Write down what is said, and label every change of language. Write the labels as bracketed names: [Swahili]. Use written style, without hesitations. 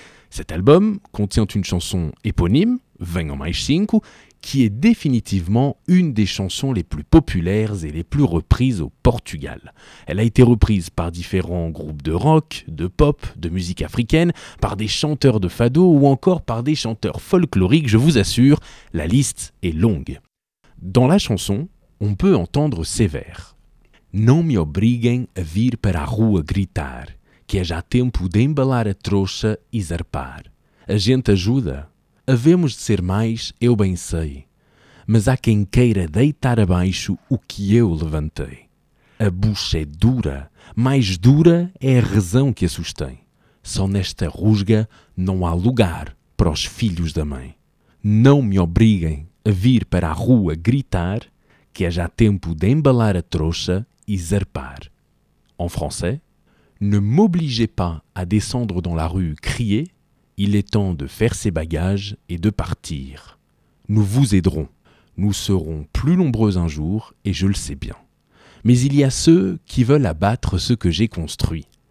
[French] Cet album contient une chanson éponyme, Venham Mais Cinco, qui est définitivement une des chansons les plus populaires et les plus reprises au Portugal. Elle a été reprise par différents groupes de rock, de pop, de musique africaine, par des chanteurs de fado ou encore par des chanteurs folkloriques, je vous assure, la liste est longue. Dans la chanson, on peut entendre ces vers. [Portuguese] Não me obriguem a vir para a rua gritar, que é já tempo de embalar a trouxa e zarpar. A gente ajuda, havemos de ser mais, eu bem sei, mas há quem queira deitar abaixo o que eu levantei. A bucha é dura, mais dura é a razão que a sustém. Só nesta rusga não há lugar para os filhos da mãe. Não me obriguem a vir para a rua gritar, que é já tempo de embalar a trouxa e zarpar. [French] En français, ne m'obligez pas à descendre dans la rue crier, il est temps de faire ses bagages et de partir. Nous vous aiderons, nous serons plus nombreux un jour, et je le sais bien. Mais il y a ceux qui veulent abattre ce que j'ai construit.